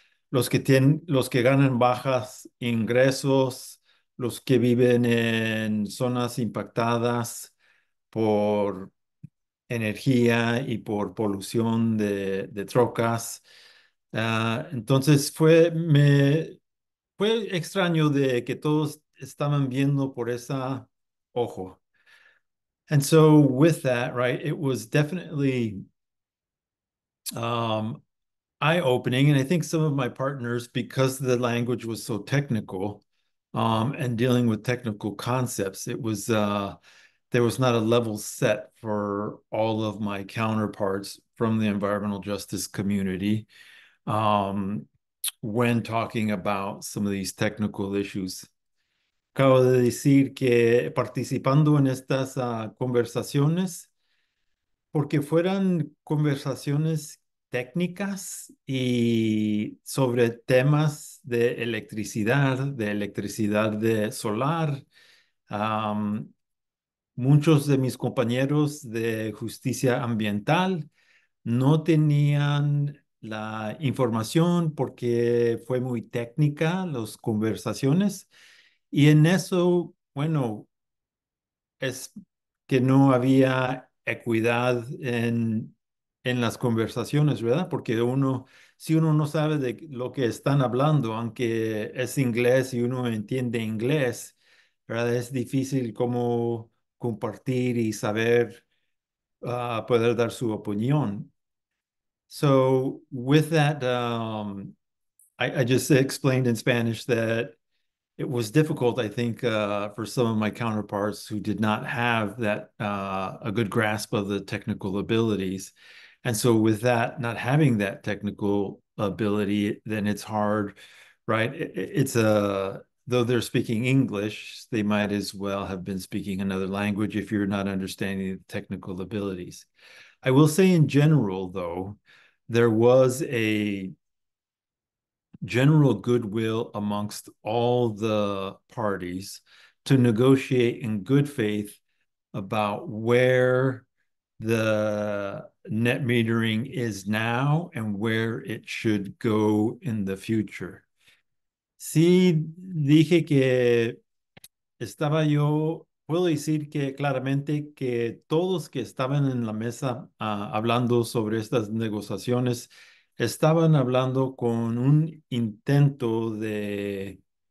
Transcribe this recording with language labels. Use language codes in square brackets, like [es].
[es] Los que ganan bajas ingresos, los que viven en zonas impactadas por energía y por polución de trocas. Entonces fue extraño de que todos estaban viendo por esa ojo. [en] And so with that, right, it was definitely eye-opening. And I think some of my partners, because the language was so technical and dealing with technical concepts, it was there was not a level set for all of my counterparts from the environmental justice community when talking about some of these technical issues. [es] Acabo de decir que participando en estas conversaciones, porque fueran conversaciones técnicas y sobre temas de electricidad de solar, muchos de mis compañeros de justicia ambiental no tenían la información porque fue muy técnica las conversaciones. Y en eso, bueno, es que no había equidad en las conversaciones, ¿verdad? Porque uno, si uno no sabe de lo que están hablando, aunque es inglés y uno entiende inglés, ¿verdad? Es difícil cómo compartir y saber poder dar su opinión. [en] So with that, I just explained in Spanish that it was difficult, I think, for some of my counterparts who did not have that a good grasp of the technical abilities. And so with that, not having that technical ability, then it's hard, right? Though they're speaking English, they might as well have been speaking another language if you're not understanding the technical abilities. I will say in general, though, there was a general goodwill amongst all the parties to negotiate in good faith about where the net metering is now and where it should go in the future. [es] Sí, dije que estaba yo, puedo decir que claramente que todos que estaban en la mesa hablando sobre estas negociaciones estaban hablando con un intento de